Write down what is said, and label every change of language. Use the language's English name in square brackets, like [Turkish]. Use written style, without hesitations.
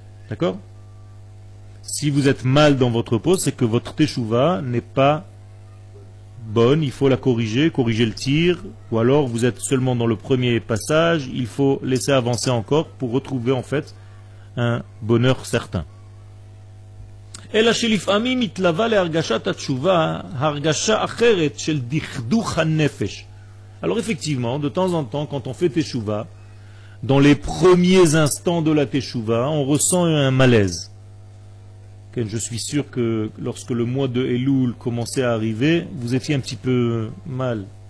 [French] D'accord ? Si vous êtes mal dans votre peau, c'est que votre teshuva n'est pas bonne. Il faut la corriger, corriger le tir. Ou alors, vous êtes seulement dans le premier passage. Il faut laisser avancer encore pour retrouver en fait un bonheur certain. [Hebrew] אלא שלפעמים מתלווה להרגשת התשובה הרגשה אחרת של דכדוך הנפש. [French] Alors effectivement, de temps en temps, quand on fait teshuva, dans les premiers instants de la teshuva, on ressent un malaise. Okay, je suis sûr que lorsque le mois de Elul commençait à arriver, vous étiez un petit peu mal.